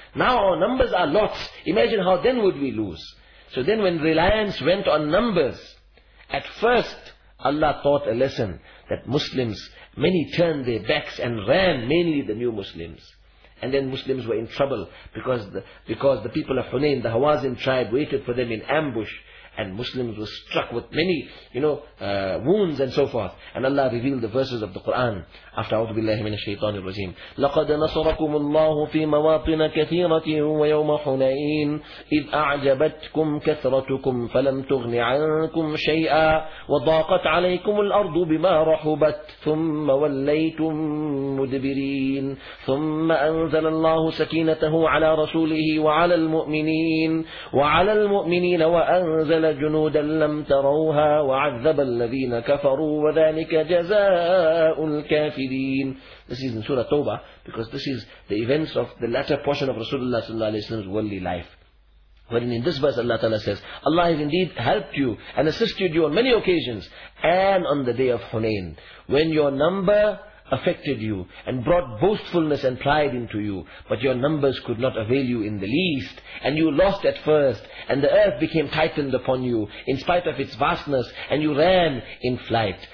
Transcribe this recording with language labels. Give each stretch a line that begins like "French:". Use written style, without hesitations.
English: Now our numbers are lots. Imagine how then would we lose. So then when reliance went on numbers, at first Allah taught a lesson that Muslims, many turned their backs and ran, mainly the new Muslims. And then Muslims were in trouble because the people of Hunain, the Hawazin tribe, waited for them in ambush. And Muslims were struck with many, you know, wounds and so forth. And Allah revealed the verses of the Quran after
Arabic: أعوذ بالله من الشيطان الرجيم. لقد نصركم الله في مواطن كثيرة ويوم حنين إذ أعجبتكم كثرتكم فلم تغن عنكم شيئا وضاقت عليكم الأرض بما رحبت ثم وليتم مدبرين ثم أنزل الله سكينته على رسوله وعلى المؤمنين وأنزل جنودا لم تروها وعذب الذين كفروا وذلك جزاء الكافرين.
English: This is in Surah Tawbah, because this is the events of the latter portion of Rasulullah sallallahu alayhi wa sallam's worldly life. When in this verse Allah ta'ala says, Allah has indeed helped you and assisted you on many occasions, and on the day of Hunain, when your number affected you and brought boastfulness and pride into you, but your numbers could not avail you in the least, and you lost at first, and the earth became tightened upon you in spite of its vastness, and you ran in flight.